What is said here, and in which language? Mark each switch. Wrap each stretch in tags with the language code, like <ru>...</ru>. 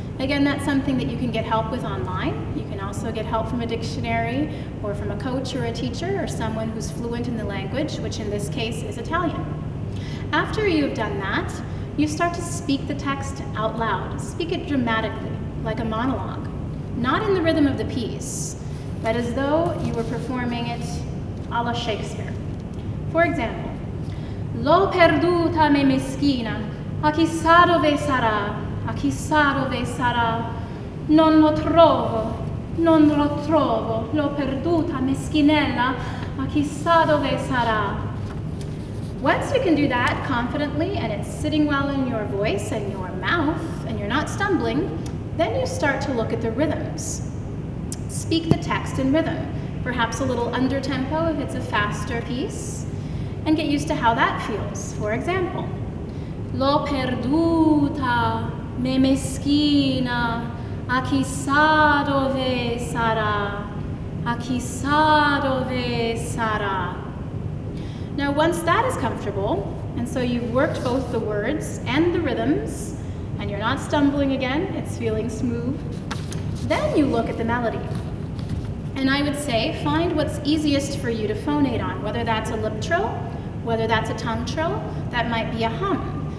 <en>Again, that's something that you can get help with online. You can also get help from a dictionary or from a coach or a teacher or someone who's fluent in the language, which in this case is Italian. After you've done that, you start to speak the text out loud. Speak it dramatically, like a monologue. Not in the rhythm of the piece, but as though you were performing it a la Shakespeare. For example,</en> <it>L'ho perduta me meschina, a chissà dove sarà. A chissà dove sarà, non lo trovo, non lo trovo, l'ho perduta, meschinella, a chissà dove sarà.</it> <en>Once you can do that confidently and it's sitting well in your voice and your mouth and you're not stumbling, then you start to look at the rhythms. Speak the text in rhythm, perhaps a little under tempo if it's a faster piece, and get used to how that feels. For example,</en> <it>l'ho perduta. Me meschina, a chissà dove sarà, a chissà dove sarà.</it> <en>Now once that is comfortable, and so you've worked both the words and the rhythms, and you're not stumbling again, it's feeling smooth, then you look at the melody. And I would say, find what's easiest for you to phonate on, whether that's a lip trill, whether that's a tongue trill, that might be a hum.</en>